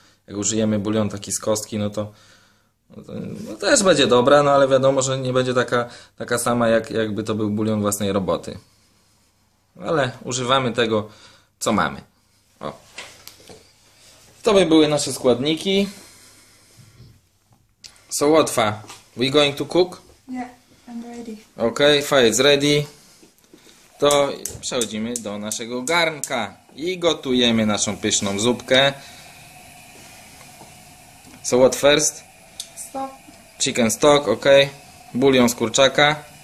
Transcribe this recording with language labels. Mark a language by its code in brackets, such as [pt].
[pl] Jak użyjemy bulion taki z kostki, no to też będzie dobra, no ale wiadomo, że nie będzie taka sama, jakby to był bulion własnej roboty. Ale używamy tego, co mamy. To by były nasze składniki. [en] So Łotwa, we going to cook? Yeah, I'm ready. Okay, fire is ready. [pl] To przechodzimy do naszego garnka i gotujemy naszą pyszną zupkę. [en] So what first? Stop. Chicken stock, okay. [pl] Bulion z kurczaka.